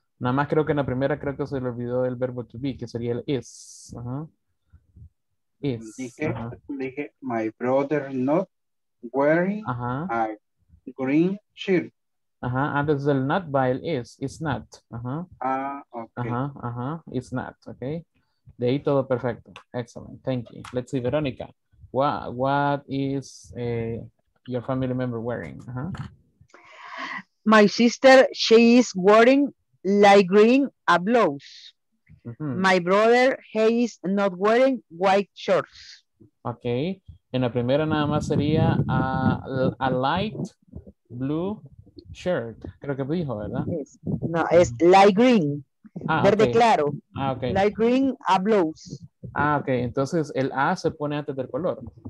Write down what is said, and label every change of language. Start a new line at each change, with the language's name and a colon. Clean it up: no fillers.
Spanish: Nada más creo que en la primera creo que se le olvidó el verbo to be, que sería el is.
English: Uh-huh. Is.
Spanish: Dije,
English: my brother not wearing uh-huh. a green shirt.
Spanish: Ajá, antes del not by el is,
English: it's not. Ajá. Ah, ok. Ajá, ajá, it's not, ok.
Spanish: De ahí todo perfecto.
English: Excellent, thank you. Let's see, Verónica. What is your family member wearing? Ajá. My sister, she is wearing light green a blouse. Mm-hmm. My brother, he is not wearing white shorts. Ok.
Spanish: En la primera nada más sería
English: a light blue shirt,
Spanish: creo que dijo, ¿verdad? Yes. No, es
English: light green,
Spanish: ah, verde okay. claro. Ah, okay.
English: Light green a blouse.
Spanish: Ah, ok, entonces el A se pone antes del color.